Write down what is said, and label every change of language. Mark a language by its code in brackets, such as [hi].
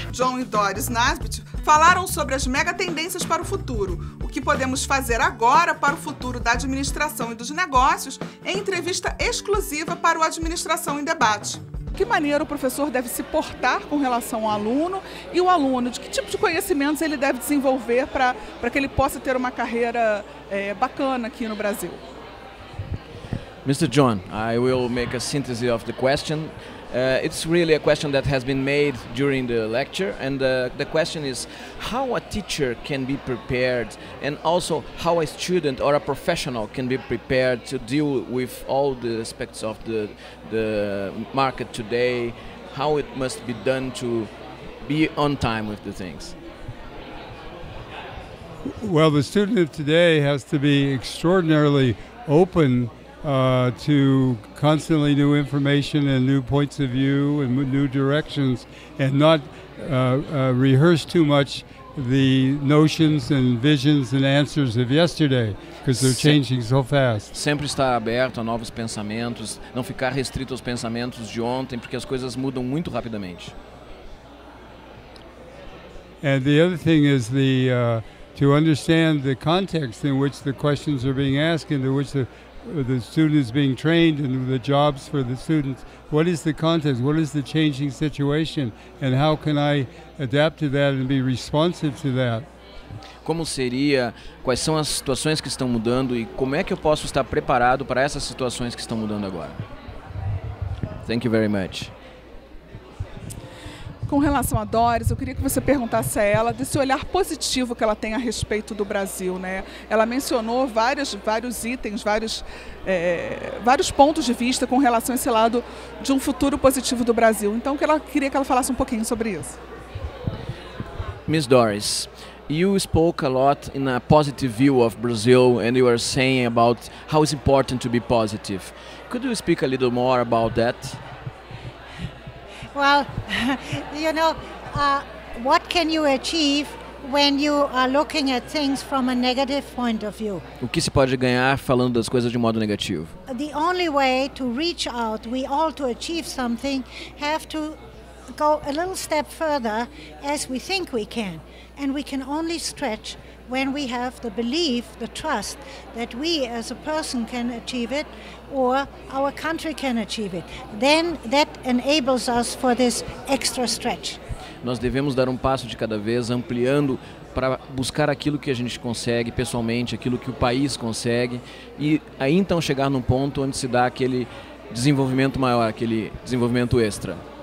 [pt] John e Doris Nasbitt falaram sobre as mega tendências para o futuro, o que podemos fazer agora para o futuro da administração e dos negócios em entrevista exclusiva para o Administração em Debate. De que maneira o professor deve se portar com relação ao aluno e o aluno? De que tipo de conhecimentos ele deve desenvolver para que ele possa ter uma carreira bacana aqui no Brasil? [en] Mr. John, I will make a synthesis of the question. It's really a question that has been made during the lecture, and the question is how a teacher can be prepared and also how a student or a professional can be prepared to deal with all the aspects of the market today, how it must be done to be on time with the things. Well, the student of today has to be extraordinarily open to constantly new information and new points of view and new directions, and not rehearse too much the notions and visions and answers of yesterday, because they're changing so fast. [pt] Sempre estar aberto a novos pensamentos, não ficar restrito aos pensamentos de ontem, porque as coisas mudam muito rapidamente. [en] And the other thing is to understand the context in which the questions are being asked, in which the student is being trained and the jobs for the students. What is the context? What is the changing situation? And how can I adapt to that and be responsive to that? [pt] Como seria, quais são as situações que estão mudando e como é que eu posso estar preparado para essas situações que estão mudando agora? [en] Thank you very much. [pt] Com relação a Doris, eu queria que você perguntasse a ela desse olhar positivo que ela tem a respeito do Brasil, né? Ela mencionou vários itens, vários pontos de vista com relação a esse lado de um futuro positivo do Brasil. Então, que ela queria que ela falasse um pouquinho sobre isso. [en] Miss Doris, you spoke a lot in a positive view of Brazil and you were saying about how it's important to be positive. Could you speak a little more about that? Well, you know, what can you achieve when you are looking at things from a negative point of view? [pt] O que se pode ganhar falando das coisas de modo negativo? [en] The only way to reach out, we all to achieve something, have to go a little step further as we think we can. And we can only stretch when we have the belief, the trust, that we as a person can achieve it or our country can achieve it. Then that enables us for this extra stretch. [pt] Nós devemos dar um passo de cada vez, ampliando para buscar aquilo que a gente consegue pessoalmente, aquilo que o país consegue, e aí então chegar num ponto onde se dá aquele desenvolvimento maior, aquele desenvolvimento extra.